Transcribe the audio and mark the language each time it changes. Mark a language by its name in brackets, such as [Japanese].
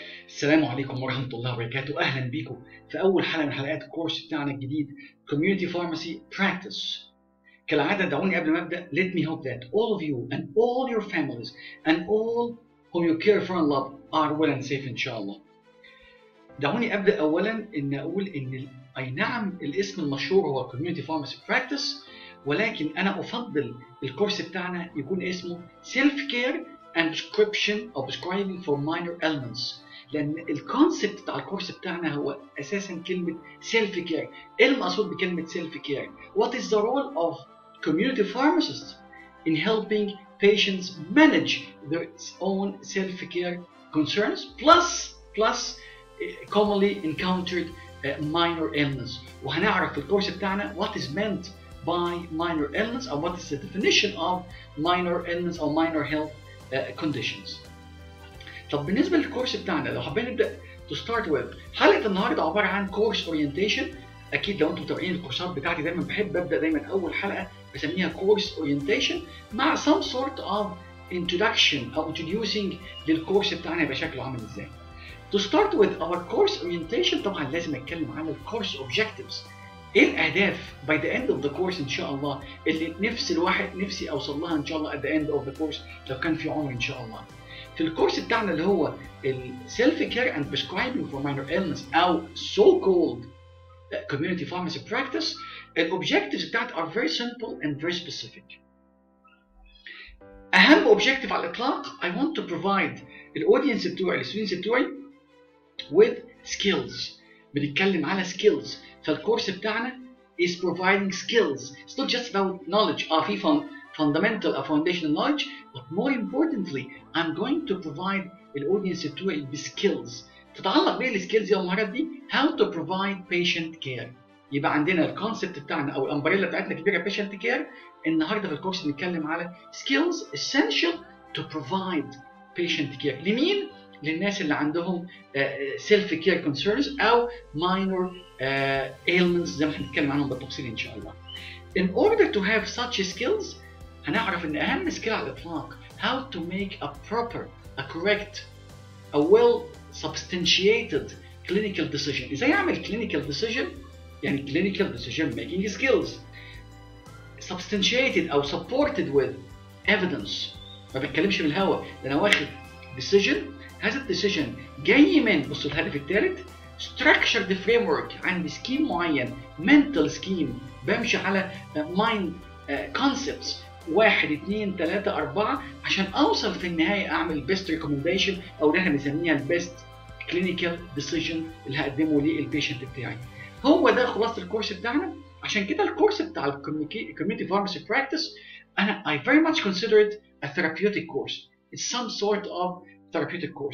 [Arabic] السلام عليكم ورحمة الله وبركاته، أهلا بيكم في أول حلقة من حلقات الكورس بتاعنا الجديد Community Pharmacy Practice. كالعادة دعوني قبل ما أبدأ [English] Let me hope that all of you and all your families and all whom you care for and love are well and safe إن شاء الله. [Arabic] دعوني أبدأ أولا إن أقول إن أي نعم الاسم المشهور هو Community Pharmacy Practice، ولكن أنا أفضل الكورس بتاعنا يكون اسمه [English] Self-Care and Prescription or Prescribing for Minor Ailments، [Arabic] لأن الكونسبت بتاع الكورس بتاعنا هو أساساً كلمة سيلف كير. إيه المقصود بكلمة سيلف كير؟ [English] What is the role of community pharmacists in helping patients manage their own self care concerns plus commonly encountered minor illness؟ [Arabic] وهنعرف في الكورس بتاعنا [English] What is meant by minor illness or what is the definition of minor illness or minor health conditions. [Arabic] طب بالنسبة للكورس بتاعنا لو حابين نبدأ [English] to start with، [Arabic] حلقة النهاردة عبارة عن course orientation. أكيد لو أنتم متابعين الكورسات بتاعتي دايما بحب أبدأ دايما أول حلقة بسميها course orientation مع [English] some sort of introduction [Arabic] أو introducing للكورس بتاعنا بشكله عامل إزاي. [English] To start with our course orientation [Arabic] طبعا لازم أتكلم عن [English] course objectives. [Arabic] إيه الأهداف [English] by the end of the course [Arabic] إن شاء الله اللي نفسي أوصل لها إن شاء الله [English] at the end of the course [Arabic] لو كان في عمر إن شاء الله. في الكورس بتاعنا اللي هو [English] Self Care and Prescribing for Minor Ailments أو So-called Community Pharmacy Practice، الـ Objectives بتاعت are very simple and very specific. أهم Objective [Arabic] على الإطلاق [English] I want to provide الـ Audience بتوعي الـ Students بتوعي with Skills. [Arabic] بنتكلم على [English] Skills، [Arabic] فالكورس بتاعنا [English] is providing Skills. It's not just about knowledge. Fundamental, a foundational knowledge, but more importantly, I'm going to provide the audience to it with skills. [Arabic] تتعلق بإيه السكيلز يا مهارات دي؟ [English] How to provide patient care. [Arabic] يبقى عندنا الكونسبت بتاعنا أو الأمبريلا بتاعتنا كبيرة patient care. النهاردة في الكورس نتكلم على [English] skills essential to provide patient care. [Arabic] لمين؟ للناس اللي عندهم self-care concerns أو minor ailments زي ما هنتكلم عنهم بالتفصيل إن شاء الله. [English] In order to have such skills, [Arabic] هنعرف ان اهم سكيل على الاطلاق [English] how to make a proper, a correct, a well-substantiated clinical decision. [Arabic] ازاي اعمل clinical decision؟ يعني [English] clinical decision-making skills. Substantiated او supported with evidence. [Arabic] ما بتكلمش من الهوى. لان واخد decision. هذا decision جاي من بصوا الهدف الثالث. [English] Structured the framework عندي scheme معين. Mental scheme. [Arabic] بمشي على mind concepts. 1, 2, 3, 4 عشان اوصل في النهاية اعمل [English] best recommendation [Arabic] او اللي احنا بنسميها [English] best clinical decision [Arabic] اللي هقدمه للبيشنت بتاعي. هو ده خلاصة الكورس بتاعنا. عشان كده الكورس بتاع [English] community pharmacy practice انا I very much consider it a therapeutic course. It's some sort of therapeutic course.